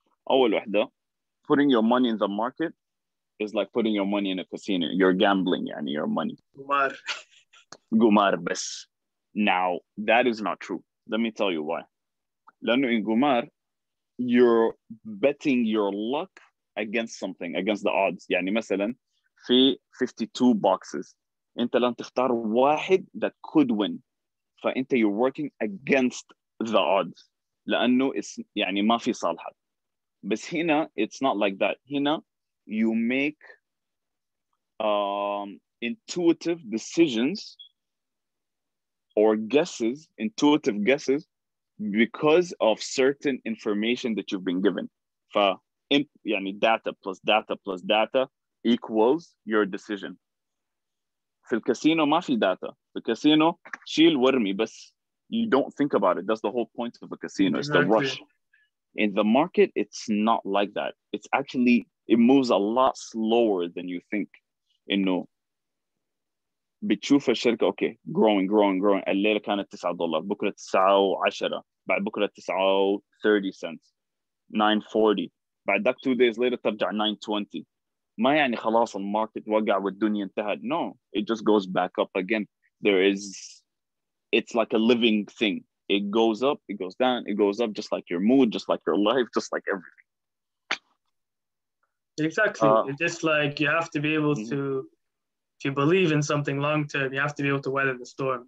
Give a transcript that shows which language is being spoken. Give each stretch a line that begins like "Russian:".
Arabic: أول واحدة,
English: putting your money in the market is like putting your money in a casino. You're gambling,
Arabic: يعني
English: your money.
Arabic: قمار بس.
English: Now, that is not true. Let me tell you why.
Arabic: لأنه
English: in قمار, you're betting your luck against something, against the odds.
Arabic: يعني مثلا, في 52 boxes. أنت لن تختار واحد
English: that could win.
Arabic: فأنت,
English: you're working against the odds.
Arabic: لأنه,
English: it's,
Arabic: يعني ما في صالحة.
English: But here, it's not like that. Here, you make intuitive decisions or guesses, intuitive guesses, because of certain information that you've been given. Data plus data equals your decision. In the casino,
Arabic: ما في
English: data. The casino,
Arabic: شيل ورمي, بس
English: you don't think about it. That's the whole point of a casino. It's the rush. In the market, it's not like that. It's actually, it moves a lot slower than you think. You know,
Arabic: بتشوف الشركة,
English: okay, growing.
Arabic: الليلة كانت $9, بكرة 9.10, بعد بكرة 9.30, 9.40. بعد ذاك
English: 2 days later,
Arabic: ترجع 9.20. ما يعني خلاص الماركت وقع والدنيا انتهت.
English: No, it just goes back up again. It's like a living thing. It goes up, it goes down, it goes up, just like your mood, just like your life, just like everything. Exactly. It's just like you have to be able to believe in something long term, you have to be able to weather the storm.